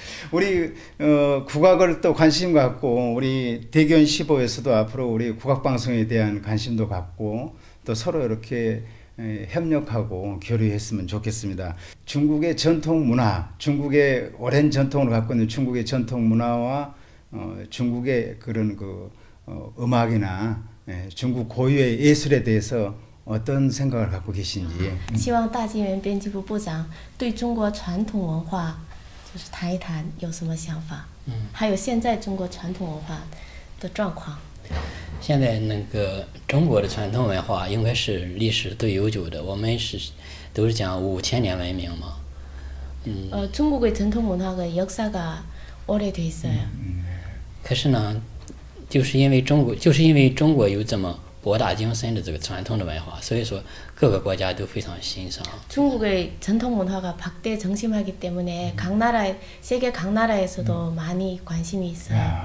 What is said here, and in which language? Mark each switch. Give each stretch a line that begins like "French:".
Korean: 우리 국악을 또 관심 갖고 우리 대견 15에서도 앞으로 우리 국악 방송에 대한 관심도 갖고 또 서로 이렇게 협력하고 교류했으면 좋겠습니다. 중국의 전통 문화, 중국의 오랜 전통을 갖고 있는 중국의 전통 문화와 중국의 그런 음악이나 중국 고유의 예술에 대해서 어떤 생각을 갖고 계신지.
Chinese: 希望大纪元编辑部部长对中国传统文化就是谈一谈有什么想法，还有现在中国传统文化的状况。现在那个中国的传统文化应该是历史最悠久的，我们是都是讲5000年文明嘛。
Korean: 中国의전통문화가역사가오래돼있어요。
Chinese: 可是呢，就是因为中国有这么博大精深的这个传统的文化，所以说各个国家都非常欣赏。
Korean: 中国의전통문화가박대정신하기때문에각나라세계각나라에서도많이관심이있어요。